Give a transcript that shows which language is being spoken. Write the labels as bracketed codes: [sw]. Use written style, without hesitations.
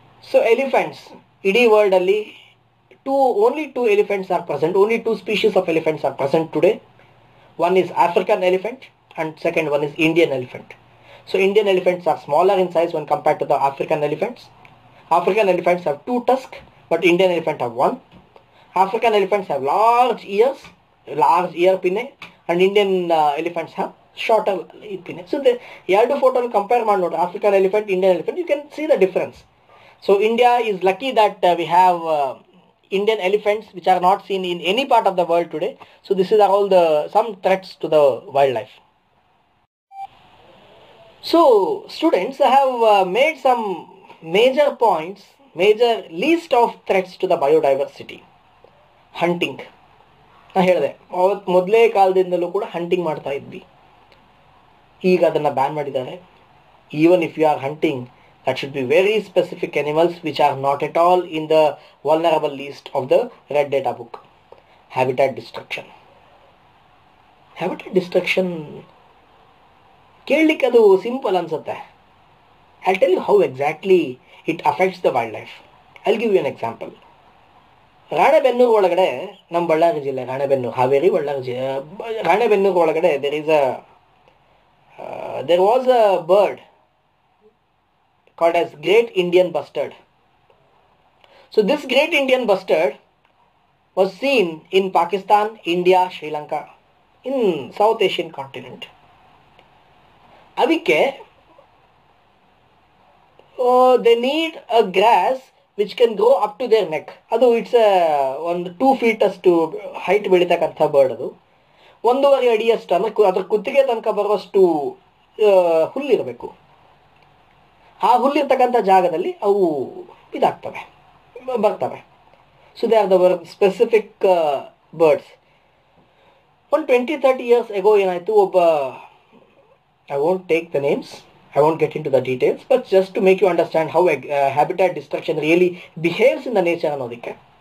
[en] So elephants, ಇಡೀ ವರ್ಲ್ಡಲ್ಲಿ only two elephants are present, only two species of elephants are present today. One is African elephant and second one is Indian elephant. So Indian elephants are smaller in size when compared to the African elephants. African elephants have two tusk, But Indian elephants have one. African elephants have large ear pinne, and Indian elephants have shorter ear pinne. So the yellow photo will compare one note, African elephant, Indian elephant, you can see the difference. So India is lucky that we have Indian elephants, which are not seen in any part of the world today. So this is all the some threats to the wildlife. So students have made some major points, major list of threats to the biodiversity. Hunting. [kn] ನಾ ಹೇಳಿದೆ ಅವತ್ತು ಮೊದಲೇ ಕಾಲದಿಂದಲೂ ಕೂಡ hunting ಮಾಡ್ತಾ ಇದ್ವಿ. ಈಗ ಅದನ್ನು ಬ್ಯಾನ್ ಮಾಡಿದ್ದಾರೆ. [en] Even if you are hunting, that should be very specific animals which are not at all in the vulnerable list of the red data book. Habitat destruction. [kn] Habitat destruction ಕೇಳಲಿಕ್ಕೆ ಅದು simple ಅನ್ಸುತ್ತೆ. [en] I tell you how exactly it affects the wildlife. I'll give you an example. Ranebennur ಒಳಗಡೆ, ನಮ್ಮ ಬಳ್ಳಾರಿ ಜಿಲ್ಲೆ ರಾಣೆಬೆನ್ನೂರು, ಹಾವೇರಿ ಬಳ್ಳಾರಿ ಜಿಲ್ಲೆ ರಾಣೆಬೆನ್ನೂರು ಒಳಗಡೆ there is a there was a bird called as great Indian bustard. So this great Indian bustard was seen in Pakistan, India, Sri Lanka, in South Asian continent. ಅದಕ್ಕೆ they need a grass which can grow up to their neck. [kn] ಅದು it's a ಒಂದು 2 feet ಅಷ್ಟು height ಬೆಳೀತಕ್ಕಂಥ bird. ಅದು 1.5 feet ಅಂದರೆ ಅದ್ರ ಕುತ್ತಿಗೆ ತನಕ ಬರುವಷ್ಟು ಹುಲ್ಲಿರಬೇಕು. ಆ ಹುಲ್ಲಿರ್ತಕ್ಕಂಥ ಜಾಗದಲ್ಲಿ ಅವು ಇದಾಗ್ತವೆ, ಬರ್ತವೆ. [en] So they are the word specific birds. 20-30 years ago [kn] ಏನಾಯಿತು, ಒಬ್ಬ [en] I won't take the names, I won't get into the details, but just to make you understand how habitat destruction really behaves in the nature and all that.